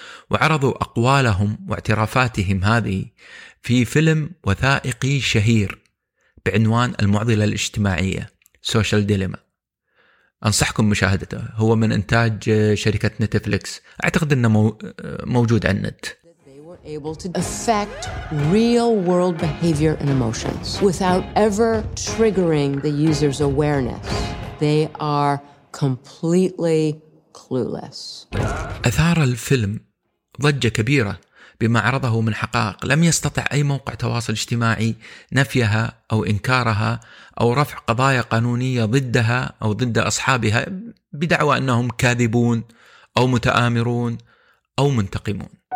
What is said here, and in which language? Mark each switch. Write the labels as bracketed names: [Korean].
[Arabic] وعرضوا أقوالهم واعترافاتهم هذه في فيلم وثائقي شهير بعنوان المعضلة الاجتماعية Social Dilemma، أنصحكم مشاهدته، هو من إنتاج شركة نتفليكس، أعتقد أنه موجود على النت. [English] Able to affect real world behavior and emotions without ever triggering the user's awareness. They are completely clueless. [Arabic] أثار الفيلم ضجة كبيرة بما عرضه من حقائق لم يستطع أي موقع تواصل اجتماعي نفيها أو إنكارها أو رفع قضايا قانونية ضدها أو ضد أصحابها بدعوى أنهم كاذبون أو متآمرون أو منتقمون.